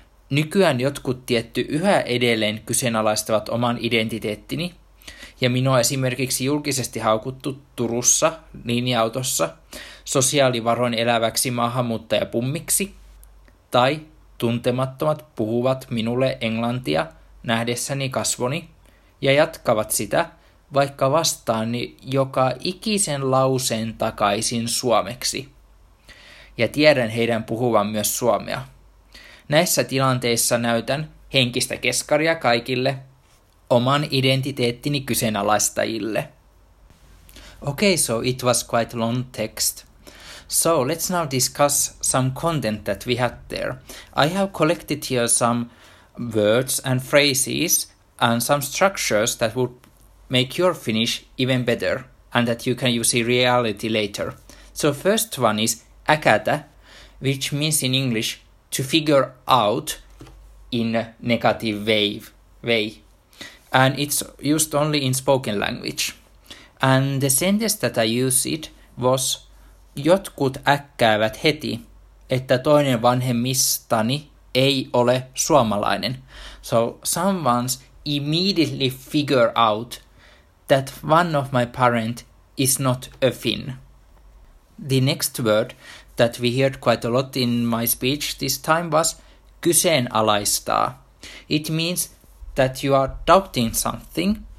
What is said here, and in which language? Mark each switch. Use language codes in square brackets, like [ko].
[fi] Nykyään jotkut tietty yhä edelleen kyseenalaistavat oman identiteettini, ja minua esimerkiksi julkisesti haukuttu Turussa linja-autossa sosiaalivaroin eläväksi maahanmuuttajapummiksi, tai tuntemattomat puhuvat minulle englantia nähdessäni kasvoni, ja jatkavat sitä, vaikka vastaani joka ikisen lauseen takaisin suomeksi. Ja tiedän heidän puhuvan myös suomea. Näissä tilanteissa näytän henkistä keskaria kaikille, oman identiteettini kyseenalaistajille. [en] Okay, so it was quite long text. So let's now discuss some content that we had there. I have collected here some words and phrases and some structures that would make your Finnish even better and that you can use in reality later. So first one is äkätä, which means in English to figure out in a negative way. And it's used only in spoken language. And the sentence that I used was [fi] jotkut äkkäävät heti, että toinen vanhemmistani ei ole suomalainen. [en] So someone's immediately figure out that one of my parents is not a Finn. The next word that we heard quite a lot in my speech this time was kyseenalaistaa. It means that you are doubting something